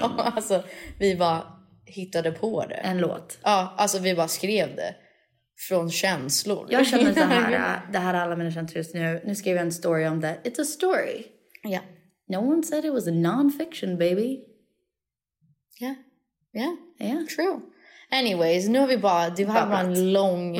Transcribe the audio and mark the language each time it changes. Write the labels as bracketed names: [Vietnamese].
[Swedish] Alltså, vi bara hittade på det. En låt. Ja, alltså vi bara skrev det. Från känslor. Jag känner så här, det här är alla mina känslor just nu. Nu skrev jag en story om det. [English] It's a story. Yeah. No one said it was a non-fiction, baby. Yeah. True. [Swedish] Anyways, nu har vi bara, du har bara en lång...